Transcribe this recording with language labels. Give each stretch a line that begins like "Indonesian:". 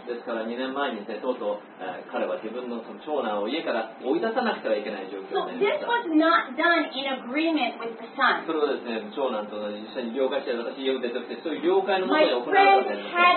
Japanese: ですから2年前にね、とうとう彼は自分の長男を家から追い出さなくてはいけない状況になりました。
English: So this was not done in agreement with the son.
Japanese: それはですね、長男と一緒に了解して、私家を出てきて、そういう了解のもとで行われたんです。